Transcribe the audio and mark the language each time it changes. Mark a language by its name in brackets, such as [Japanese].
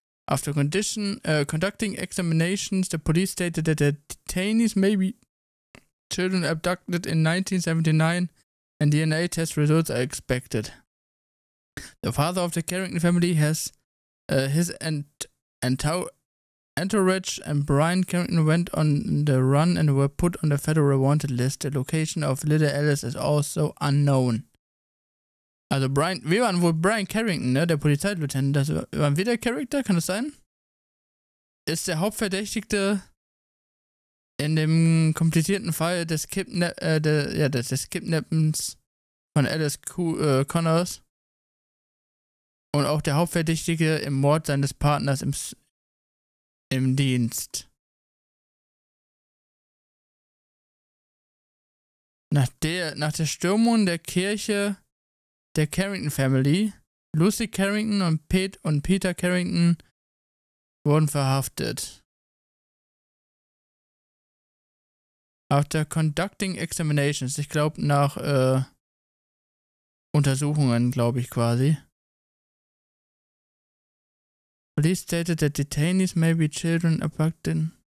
[English] After conducting examinations, the police stated that the detainees may be children abducted in 1979 and DNA test results are expected. The father of the Carrington family has entourage and Brian Carrington went on the run and were put on the federal wanted list. The location of Little Alice is also unknown. [German] Also Brian, wir waren wohl Brian Carrington, ne, der Polizeilieutenant. Das waren wir der Charakter, kann das sein? Ist der Hauptverdächtigte in dem komplizierten Fall des Kidnappens von Alice Connors und auch der Hauptverdächtige im Mord seines Partners im Dienst. Nach der Stürmung der Kirche der Carrington Family, Lucy Carrington und Peter Carrington wurden verhaftet. [English] After conducting examinations, [German] ich glaube nach Untersuchungen, glaube ich quasi. [English] Police stated that detainees may be children abducted.